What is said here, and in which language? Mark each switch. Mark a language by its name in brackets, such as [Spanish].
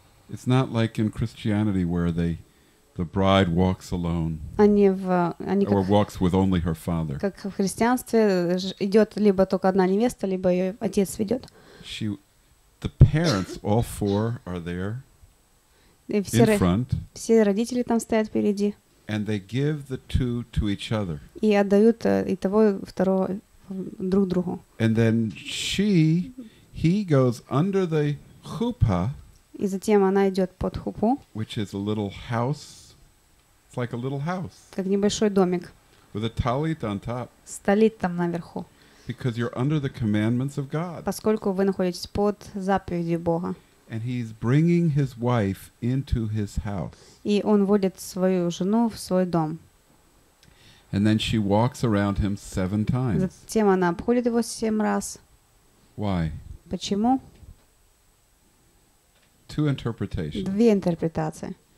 [English] It's not like in Christianity where they The bride walks alone. Or walks with only her father. [Russian] Как в христианстве идет либо только одна невеста, либо ее отец ведет. [English] The parents, all four, are there. [Russian] Все родители там стоят впереди. [English] And they give the two to each other. [Russian] И отдают и того, и второго друг другу. [English] And then he goes under the chuppah. [Russian] И затем она идет под хупу. [English] Which is a little house. It's like a little house. [Russian] Как небольшой домик. [English] With a talit on top. [Russian] С талит там наверху. [English] Because you're under the commandments of God. [Russian] Поскольку вы находитесь под заповедью Бога. [English] And he's bringing his wife into his house. [Russian] И он водит свою жену в свой дом. [English] And then she walks around him 7 times. [Russian] Затем она обходит его 7 раз. [English] Why? [Russian] Почему? [English] Two interpretations. [Russian] Две интерпретации.